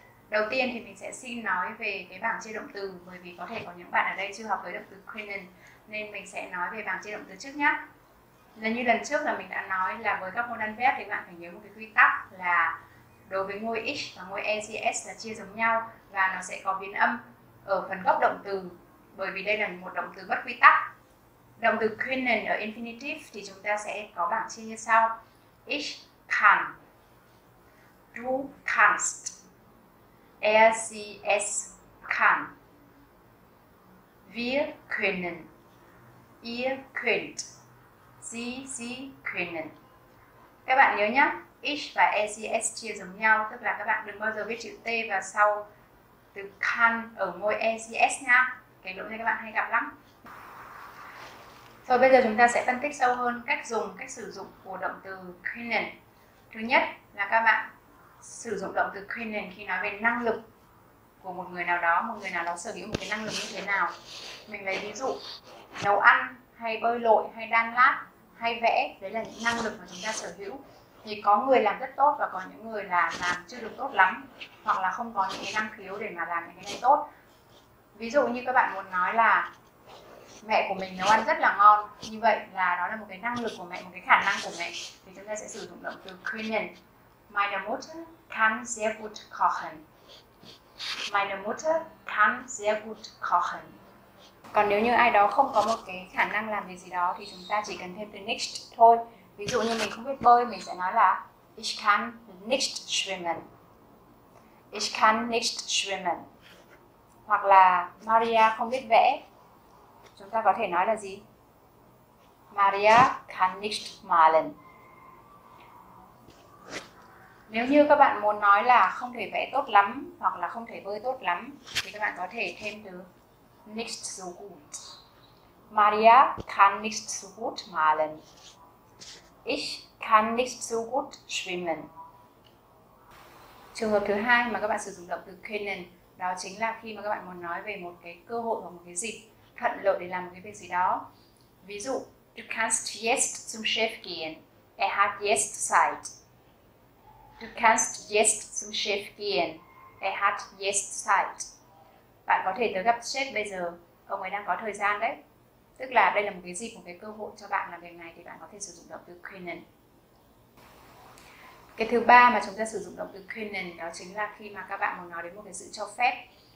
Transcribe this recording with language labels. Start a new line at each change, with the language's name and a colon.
Vietnamese: Đầu tiên thì mình sẽ xin nói về cái bảng chia động từ, bởi vì có thể có những bạn ở đây chưa học với động từ können nên mình sẽ nói về bảng chia động từ trước nhé. Lần như lần trước là mình đã nói là với các modal verb thì bạn phải nhớ một cái quy tắc là đối với ngôi ich và ngôi ers là chia giống nhau và nó sẽ có biến âm ở phần gốc động từ, bởi vì đây là một động từ bất quy tắc. Động từ können ở infinitive thì chúng ta sẽ có bảng chia như sau:
German: ich kann, du kannst, ers kann, wir können, ihr könnt, sie können.
Vietnamese: Các bạn nhớ nhé, ich và ers chia giống nhau, tức là các bạn đừng bao giờ viết chữ t vào sau từ kann ở ngôi ers nha. Cái lỗi này các bạn hay gặp lắm. Rồi bây giờ chúng ta sẽ phân tích sâu hơn cách dùng, cách sử dụng của động từ können. Thứ nhất là các bạn sử dụng động từ können khi nói về năng lực của một người nào đó, một người nào đó sở hữu một cái năng lực như thế nào. Mình lấy ví dụ nấu ăn, hay bơi lội, hay đan lát, hay vẽ, đấy là những năng lực mà chúng ta sở hữu. Thì có người làm rất tốt và có những người là làm chưa được tốt lắm, hoặc là không có những cái năng khiếu để mà làm những cái này tốt. Ví dụ như các bạn muốn nói là mẹ của mình nấu ăn rất là ngon, như vậy là đó là một cái năng lực của mẹ, một cái khả năng của mẹ, thì chúng ta sẽ sử dụng động từ können.
German: Meine Mutter kann sehr gut kochen. Meine Mutter kann sehr gut kochen.
Vietnamese: Còn nếu như ai đó không có một cái khả năng làm việc gì đó thì chúng ta chỉ cần thêm từ nicht thôi. Ví dụ như mình không biết bơi, mình sẽ nói là
German: ich kann nicht schwimmen. Ich kann nicht schwimmen.
Vietnamese: Hoặc là Maria không biết vẽ, chúng ta có thể nói là gì?
German: Maria kann nicht malen.
Vietnamese: Nếu như các bạn muốn nói là không thể vẽ tốt lắm hoặc là không thể bơi tốt lắm thì các bạn có thể thêm từ
German: nicht so gut. Maria kann nicht so gut malen. Ich kann nicht so gut schwimmen.
Vietnamese: Trường hợp thứ hai mà các bạn sử dụng động từ können đó chính là khi mà các bạn muốn nói về một cái cơ hội hoặc một cái dịp thuận lợi để làm một cái việc gì đó. Ví dụ,
German: du kannst jetzt zum Chef gehen. Er hat jetzt Zeit. Du kannst jetzt zum Chef gehen. Er hat jetzt Zeit.
Vietnamese: Bạn có thể tới gặp sếp bây giờ, ông ấy đang có thời gian đấy. Tức là đây là một cái dịp, một cái cơ hội cho bạn làm việc này thì bạn có thể sử dụng động từ können. Cái thứ ba mà chúng ta sử dụng động từ können đó chính là khi mà các bạn muốn nói đến một cái sự cho phép.